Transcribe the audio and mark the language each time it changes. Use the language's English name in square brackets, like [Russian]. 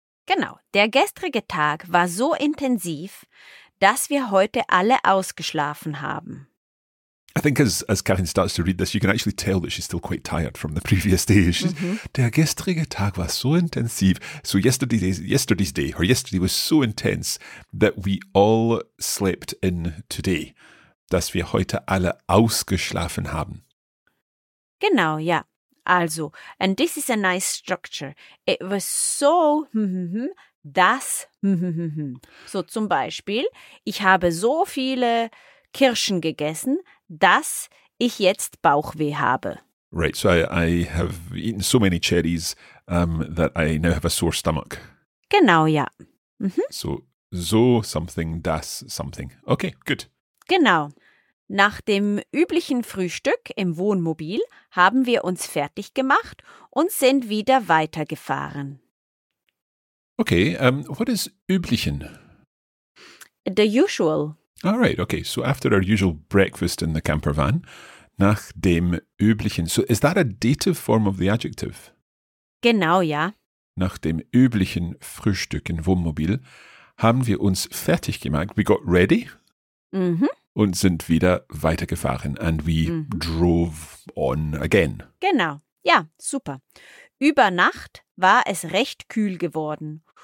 [German] Genau, der gestrige Tag war so intensiv, dass wir heute alle ausgeschlafen haben. [English] I think as Karin starts to read this, you can actually tell that she's still quite tired from the previous day. She's, [German] der gestrige Tag war so intensiv. [English] So yesterday's day, or yesterday was so intense that we all slept in today. [German] Dass wir heute alle ausgeschlafen haben. Genau, ja. [English] Also, and this is a nice structure. It was so, [German] dass, so zum Beispiel, ich habe so viele Kirschen gegessen, dass ich jetzt Bauchweh habe. [English] Right, so I have eaten so many cherries that I now have a sore stomach. [German] Genau, ja. Mm-hmm. [English] So something, das something. Okay, good. [German] Genau. Nach dem üblichen Frühstück im Wohnmobil haben wir uns fertig gemacht und sind wieder weitergefahren. [English] Okay, what is üblichen? The usual. All right, okay. So after our usual breakfast in the camper van, [German] nach dem üblichen. [English] So is that a dative form of the adjective? [German] Genau, ja. Nach dem üblichen Frühstück im Wohnmobil haben wir uns fertig gemacht. [English] We got ready. Mhm. [German] Und sind wieder weitergefahren. [English] And we drove on again. [German] Genau. Ja, super. Über Nacht war es recht kühl geworden.